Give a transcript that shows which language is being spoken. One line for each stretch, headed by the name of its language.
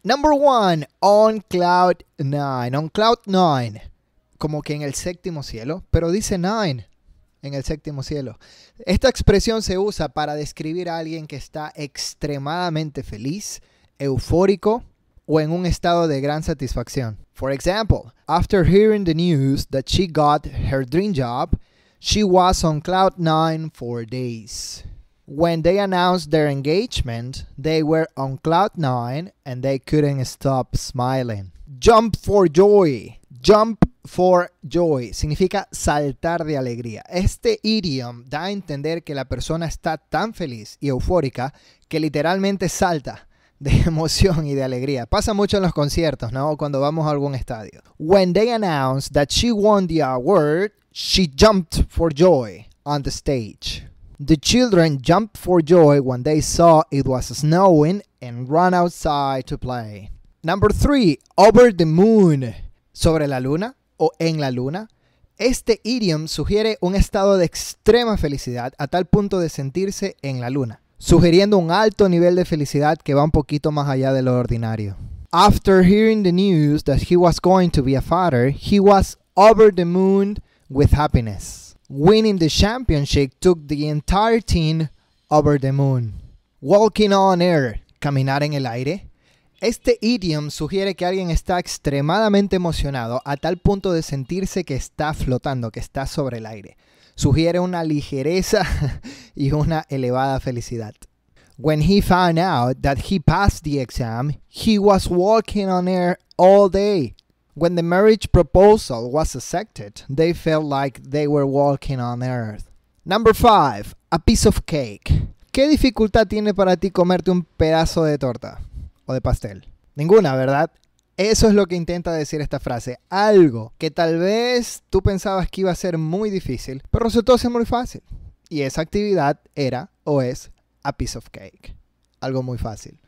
English: Number one, on cloud nine. On cloud nine.
Spanish: Como que en el séptimo cielo, pero dice nine. En el séptimo cielo. Esta expresión se usa para describir a alguien que está extremadamente feliz, eufórico o en un estado de gran satisfacción.
English: For example, after hearing the news that she got her dream job, she was on cloud nine for days. When they announced their engagement, they were on cloud nine and they couldn't stop smiling. Jump for joy. Jump for joy
Spanish: significa saltar de alegría. Este idiom da a entender que la persona está tan feliz y eufórica que literalmente salta de emoción y de alegría. Pasa mucho en los conciertos, ¿no? Cuando vamos a algún estadio.
English: When they announced that she won the award, she jumped for joy on the stage. The children jumped for joy when they saw it was snowing and ran outside to play. Number three, over the moon.
Spanish: Sobre la luna o en la luna. Este idiom sugiere un estado de extrema felicidad a tal punto de sentirse en la luna, sugiriendo un alto nivel de felicidad que va un poquito más allá de lo ordinario.
English: After hearing the news that he was going to be a father, he was over the moon with happiness. Winning the championship took the entire team over the moon. Walking on air,
Spanish: caminar en el aire. Este idiom sugiere que alguien está extremadamente emocionado a tal punto de sentirse que está flotando, que está sobre el aire. Sugiere una ligereza y una elevada felicidad.
English: When he found out that he passed the exam, he was walking on air all day. When the marriage proposal was accepted, they felt like they were walking on earth. Number five, a piece of cake.
Spanish: ¿Qué dificultad tiene para ti comerte un pedazo de torta o de pastel? Ninguna, ¿verdad? Eso es lo que intenta decir esta frase. Algo que tal vez tú pensabas que iba a ser muy difícil, pero resultó ser muy fácil. Y esa actividad era o es
English: a piece of cake.
Spanish: Algo muy fácil.